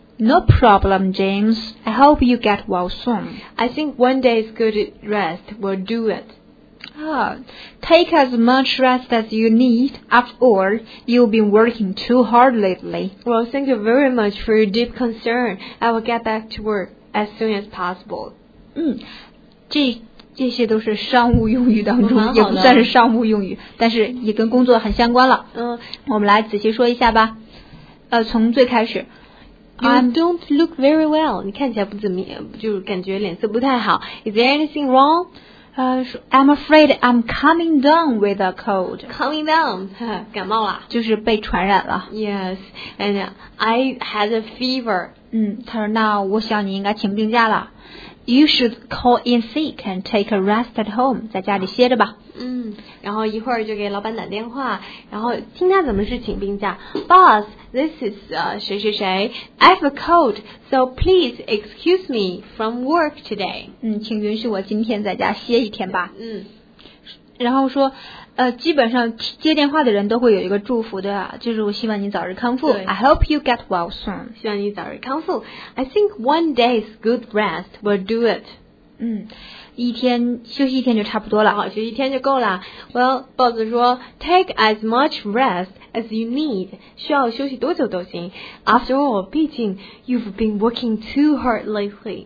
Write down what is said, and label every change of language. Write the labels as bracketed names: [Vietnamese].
[English] No problem, James. I hope you get well soon. I think one day's good rest will do it. Ah, take as much rest as you need. After all, you've been working too hard lately. Well, thank you very much for your deep concern. I will get back to work as soon as possible. [Chinese] 这些都是商务用语当中，也不算是商务用语，但是也跟工作很相关了。我们来仔细说一下吧。从最开始。 [English] You don't look very well. [Chinese] 你看起来不怎么样，就感觉脸色不太好。 [English] Is there anything wrong? I'm afraid I'm coming down with a cold. Coming down? [Chinese] 感冒了。就是被传染了。 [English] Yes, and I had a fever. [Chinese] 他说那我想你应该请病假了。 [English] You should call in sick and take a rest at home. [Chinese] 在家里歇着吧。然后一会儿就给老板打电话，然后听他怎么是请病假。 [English] Boss, this is [Chinese] 谁谁谁。 [English] I have a cold, so please excuse me from work today. [Chinese] 请允许我今天在家歇一天吧。然后说，基本上接电话的人都会有一个祝福的，就是我希望你早日康复。 [English] I hope you get well soon. [Chinese] 希望你早日康复。 [English] I think one day's good rest will do it. [Chinese] 一天休息一天就差不多了。好，休息一天就够了。 [English] Well, boss [Chinese] 说 [English] ，take as much rest as you need. [Chinese] 需要休息多久都行。 [English] After all, [Chinese] 毕竟 [English] you've been working too hard lately.